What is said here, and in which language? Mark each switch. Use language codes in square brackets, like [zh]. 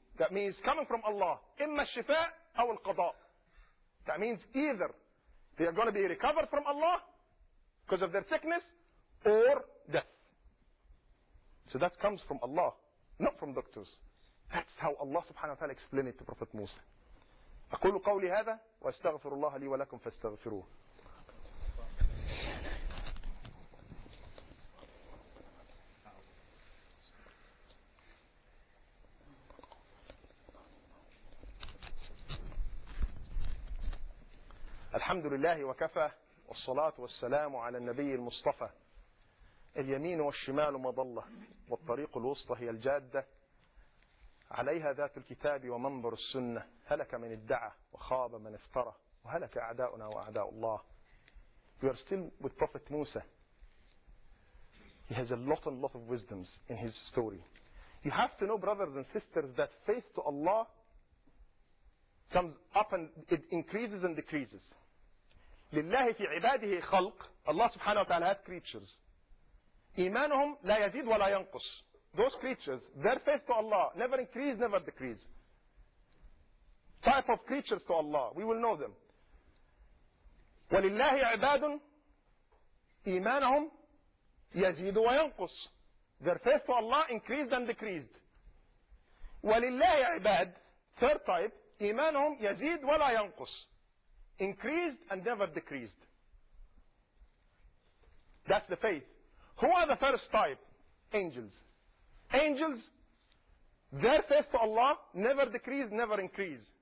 [en] That means coming from Allah. [ar] إِمَّا الشِّفَاء أَوْ الْقَضَاء. [en] That means either they are going to be recovered from Allah because of their sickness or death. So that comes from Allah, not from doctors. That's how Allah subhanahu wa ta'ala explained it to Prophet Musa. [ar] أقول قولي هذا وأستغفر الله لي ولكم فاستغفروه. الحمد لله وكفى والصلاة والسلام على النبي المصطفى. اليمين والشمال مضلة والطريق الوسطى هي الجادة عليها ذات الكتاب ومنبر السنة هلك من ادعى وخاب من افترى وهلك أعداؤنا وأعداء الله. [en] We are still with Prophet Musa. He has a lot and lot of wisdoms in his story. You have to know, brothers and sisters, that faith to Allah comes up and it increases and decreases. [ar] لله في عباده خلق. [en] Allah subhanahu wa ta'ala has creatures. [ar] إيمانهم لا يزيد ولا ينقص. [en] Those creatures, their faith to Allah never increase, never decrease. Type of creatures to Allah, we will know them. [ar] ولله عباد إيمانهم يزيد وينقص. [en] Their faith to Allah increased and decreased. [ar] ولله عباد, [en] third type, [ar] إيمانهم يزيد ولا ينقص. [en] Increased and never decreased. That's the faith. Who are the first type? Angels. Angels, their faith to Allah never decrease, never increase.